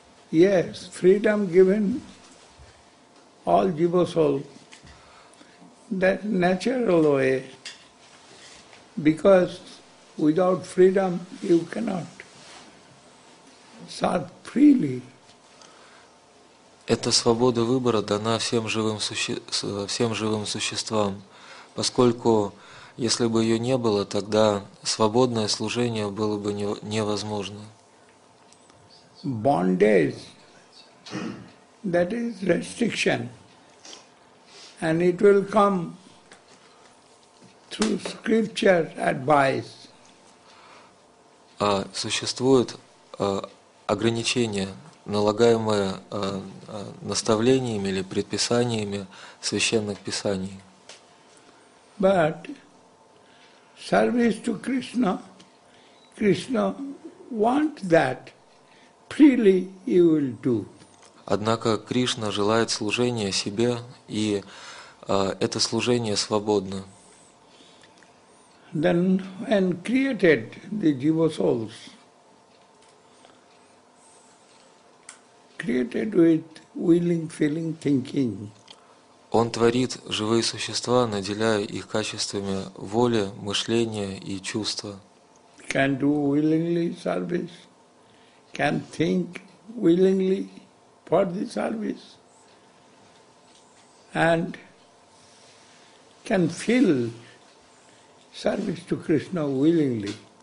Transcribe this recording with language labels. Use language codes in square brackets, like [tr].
[en] Yes, freedom given all jiva soul. That natural way. Because without freedom you cannot serve freely. [ru] Эта свобода выбора дана всем живым существам, поскольку если бы ее не было, тогда свободное служение было бы невозможно. [en] Bondage, that is restriction, and it will come through scripture advice. [ru] Существует ограничение, налагаемое наставлениями или предписаниями священных писаний. [en] But service to Krishna, Krishna want that freely you will do. [ru] Однако Кришна желает служения себе, и это служение свободно. [en] Then and created the jiva souls. Created with willing, feeling, thinking. [ru] Он творит живые существа, наделяя их качествами воли, мышления и чувства. [en] Can do willingly service, can think willingly for the service, and can feel service to Krishna willingly.